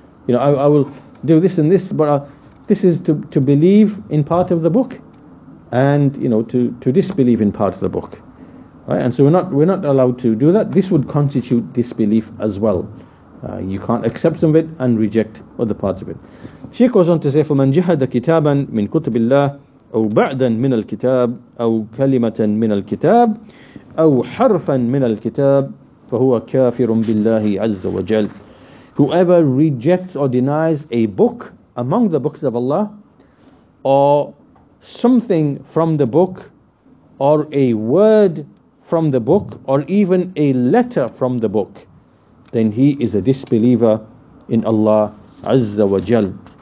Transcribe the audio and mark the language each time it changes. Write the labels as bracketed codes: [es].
[en] You know, I will do this and this, but this is to believe in part of the book, and you know, to disbelieve in part of the book. Right? And so we're not allowed to do that. This would constitute disbelief as well. You can't accept some of it and reject other parts of it. Sheikh goes on to say, [ar] فَمَنْ جَهَدَ كِتَابًا مِنْ كُتُبِ اللَّهِ أَوْ بَعْدًا مِنَ الْكِتَابِ أَوْ كَلِمَةً مِنَ الْكِتَابِ. أو حرفا من الكتاب فهو كافر بالله عز وجل. [en] Whoever rejects or denies a book among the books of Allah, or something from the book, or a word from the book, or even a letter from the book, then he is a disbeliever in Allah Azza wa Jal.